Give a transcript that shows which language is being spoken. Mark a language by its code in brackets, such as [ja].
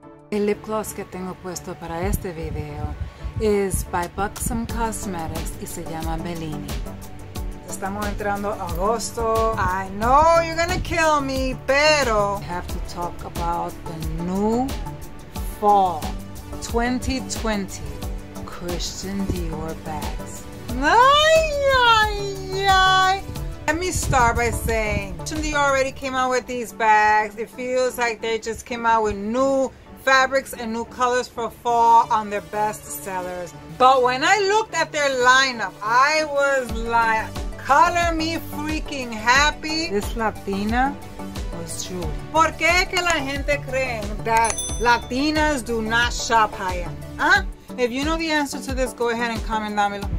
[es] El lip gloss que tengo puesto para este video [en] is by [es] Buxom Cosmetics y se llama Bellini. Estamos entrando agosto. [en] I know you're gonna kill me, [es] pero... [en] I have to talk about the new fall 2020 Christian Dior bags. Ay, ay, ay. Let me start by saying, Christian Dior already came out with these bags. It feels like they just came out with new fabrics and new colors for fall on their best sellers. But when I looked at their lineup, I was like, color me freaking happy. This Latina was true. [es] ¿Por qué que la gente cree [en] that Latinas do not shop high end? Huh? If you know the answer to this, go ahead and comment down below.